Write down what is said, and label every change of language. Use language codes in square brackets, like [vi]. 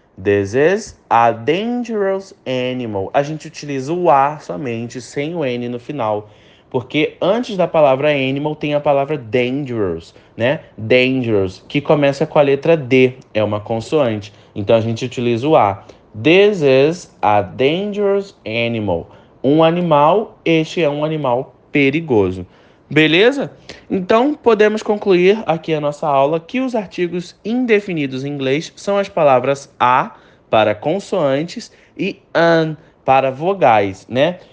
[en] This is a dangerous animal. [pt] A gente utiliza o A somente, sem o N no final. Porque antes da palavra animal tem a palavra dangerous, né? Dangerous, que começa com a letra D, é uma consoante. Então a gente utiliza o A. [en] This is a dangerous animal. [pt] Um animal, este é um animal perigoso. Beleza? Então podemos concluir aqui a nossa aula que os artigos indefinidos em inglês são as palavras a para consoantes e an para vogais, né?